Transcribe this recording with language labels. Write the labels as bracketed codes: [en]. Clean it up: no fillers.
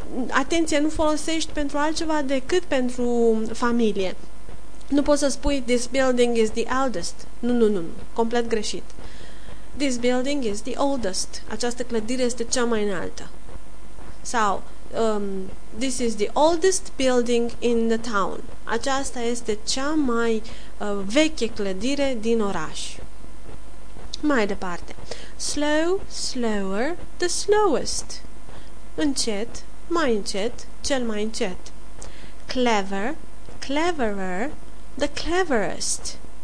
[ro] Atenție, nu folosești pentru altceva decât pentru familie. Nu poți să spui [en] this building is the eldest. [ro] Nu. Complet greșit. [en] This building is the oldest. [ro] Această clădire este cea mai înaltă. Sau, [en] this is the oldest building in the town. [ro] Aceasta este cea mai veche clădire din oraș. Mai departe. [en] Slow, slower, the slowest. [ro] Încet, mai încet, cel mai încet. [en] Clever, cleverer, the cleverest.